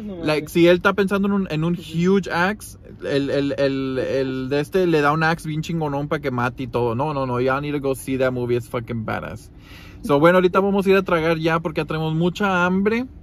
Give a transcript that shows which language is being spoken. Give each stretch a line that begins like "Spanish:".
Spanish: Like, si él está pensando en un
English: huge axe,
Spanish: el le da un axe bien chingonón para que mate y todo.
English: No, y'all need to go see that movie, it's fucking badass.
Spanish: So, bueno, ahorita vamos a ir a tragar ya porque ya tenemos mucha hambre.